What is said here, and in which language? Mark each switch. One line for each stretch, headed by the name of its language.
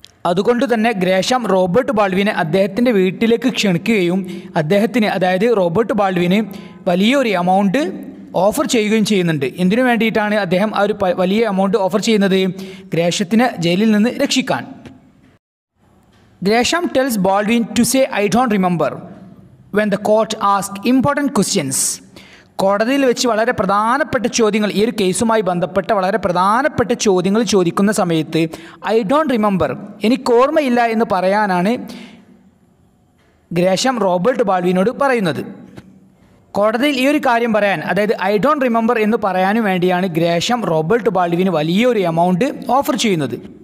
Malayalam: അതുകൊണ്ട് തന്നെ ഗ്രേഷം റോബർട്ട് ബോൾവിനെ അദ്ദേഹത്തിൻ്റെ വീട്ടിലേക്ക് ക്ഷണിക്കുകയും അദ്ദേഹത്തിന്, അതായത് റോബർട്ട് ബോൾവിന് വലിയൊരു എമൗണ്ട് ഓഫർ ചെയ്യുകയും ചെയ്യുന്നുണ്ട്. എന്തിനു വേണ്ടിയിട്ടാണ് അദ്ദേഹം ആ ഒരു വലിയ എമൗണ്ട് ഓഫർ ചെയ്യുന്നത്? ഗ്രേഷത്തിനെ ജയിലിൽ നിന്ന് രക്ഷിക്കാൻ.
English: Gresham tells Baldwin to say I don't remember. when the court asks important questions.
Malayalam: കോടതിയിൽ വെച്ച് വളരെ പ്രധാനപ്പെട്ട ചോദ്യങ്ങൾ ഈ ഒരു കേസുമായി ബന്ധപ്പെട്ട വളരെ പ്രധാനപ്പെട്ട ചോദ്യങ്ങൾ ചോദിക്കുന്ന സമയത്ത്
English: I don't remember
Malayalam: എനിക്ക് ഓർമ്മയില്ല എന്ന് പറയാനാണ് ഗ്രേഷം റോബർട്ട് ബാൽവിനോട് പറയുന്നത്. കോടതിയിൽ ഈ ഒരു കാര്യം പറയാൻ, അതായത്
English: I don't remember
Malayalam: എന്ന് പറയാനും വേണ്ടിയാണ് ഗ്രേഷം റോബർട്ട് ബാൽവിന് വലിയൊരു എമൗണ്ട് ഓഫർ ചെയ്യുന്നത്.